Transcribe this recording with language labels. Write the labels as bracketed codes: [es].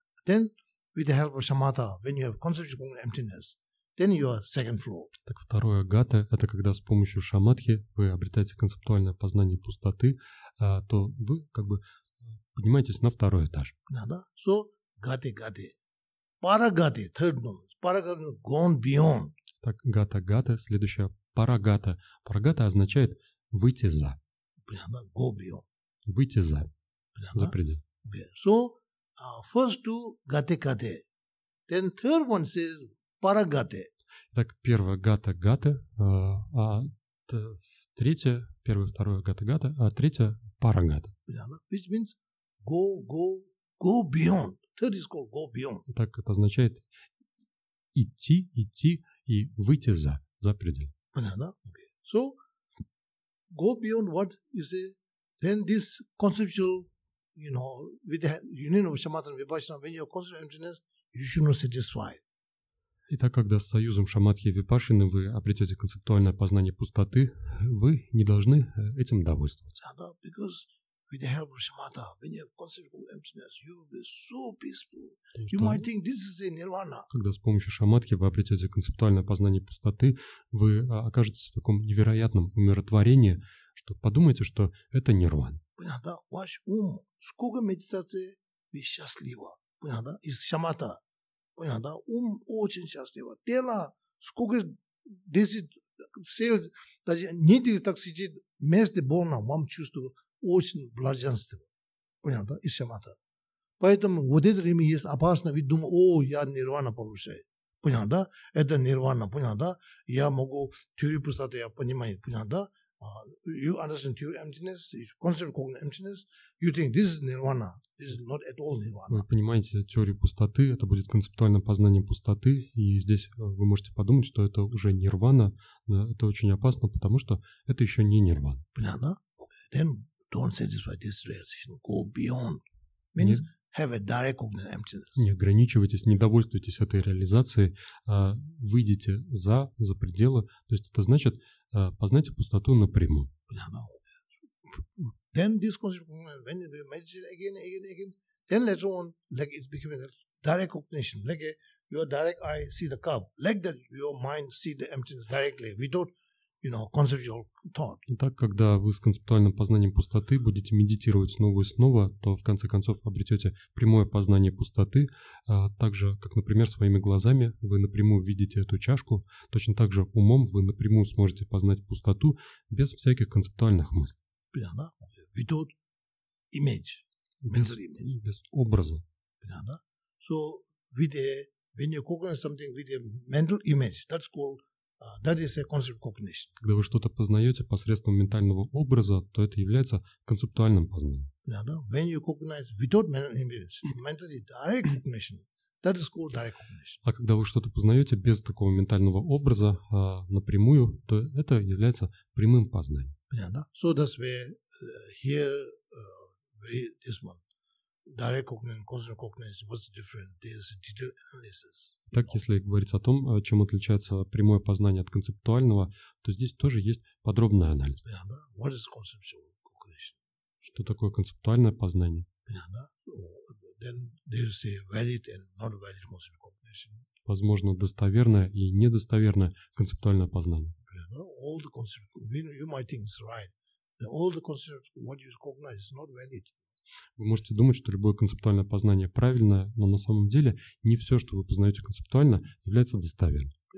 [en] Then, with the help of shamatha, when you have conception of emptiness, then you are second floor. [ru] Так второе гата – это когда с помощью шамадхи вы обретаете концептуальное познание пустоты, то вы как бы поднимаетесь на второй этаж. Да. [en] So, гаты. Парагаты – third one. Парагаты – gone beyond. [ru] Так, гата. Следующее – парагата. Парагата означает выйти за. Понятно? [en] Go beyond. [ru] Выйти за. Понятно? За предел. [en] Okay. So, first two – гаты. Then third one says парагаты. [ru] Так, первое – гата, а третье – первое, второе – гата, а третье – парагата. Понятно? [en] Which means go beyond. Third is called go beyond. [ru] Так это означает идти и выйти за предел. Понятно? [en] Okay. So, go beyond what you say, then this conceptual, you know, with the union of shamatha and vipassana, when you're conceptual emptiness, you should not satisfy. [ru] Итак, когда с союзом шамадхи и випашины вы обретете концептуальное познание пустоты, вы не должны этим довольствоваться. [en] Yeah, because with the help of shamatha, when you have conceptual emptiness, you will be so peaceful. You might think this is a nirvana. [ru] Когда с помощью шамадхи вы обретете концептуальное познание пустоты, вы окажетесь в таком невероятном умиротворении, что подумайте, что это нирвана. Понятно? Ваш ум, сколько медитации, вы счастливы. Понятно? Из шамата. Понятно? Ум очень счастливо. Тело, сколько здесь, даже недели так сидит, вместе больно, вам чувствую очень блаженство. Понятно? Из шамата. Поэтому вот это время есть опасно, ведь думаю, о, я нирвана повышаю. Понятно? Да? Это нирвана. Понятно? Да? Я могу теорию пустоты, я понимаю. Понятно? Да? [en] You understand your emptiness, your concept called emptiness. You think this is nirvana. This is not at all nirvana. [ru] Вы понимаете теорию пустоты? Это будет концептуальное познание пустоты, и здесь вы можете подумать, что это уже нирвана. Это очень опасно, потому что это еще не нирвана. Понятно? [en] Okay. Then don't satisfy this realization. Go beyond. Means have a direct cognitive emptiness. [ru] Не ограничивайтесь, не довольствуйтесь этой реализацией. Выйдите за пределы. То есть это значит познайте пустоту напрямую. [en] Then this concept, when we meditate again, then later on, like it's becoming a direct cognition, like your direct eye see the cup, like that your mind see the emptiness directly, without, you know, conceptual thought. [ru] Итак, когда вы с концептуальным познанием пустоты будете медитировать снова и снова, то в конце концов обретете прямое познание пустоты, так же, как, например, своими глазами вы напрямую видите эту чашку, точно так же умом вы напрямую сможете познать пустоту без всяких концептуальных мыслей. Понятно? [en] Without image, mental image. [ru] Без образа. Понятно? [en] So, when you cognize something with a mental image, that's called that is a concept cognition. [ru] Когда вы что-то познаете посредством ментального образа, то это является концептуальным познанием. [en] Yeah, no? When you cognize without mental image, mentally direct cognition, that is called direct cognition. [ru] А когда вы что-то познаете без такого ментального образа напрямую, то это является прямым познанием. [en] Yeah, no? So that's where this one. Direct cognition, concept cognition, what's different? There's a detailed analysis. [ru] Так, если говорить о том, чем отличается прямое познание от концептуального, то здесь тоже есть подробный анализ. Понятно? [en] What is conceptual cognition? [ru] Что такое концептуальное познание? Понятно? [en] Then there's a valid and not valid concept cognition. [ru] Возможно, достоверное и недостоверное концептуальное познание. Понятно? [en] All the concept, you might think it's right. All the concept, what you cognize, is not valid. [ru] Вы можете думать, что любое концептуальное познание правильное, но на самом деле не все, что вы познаете концептуально, является достоверным.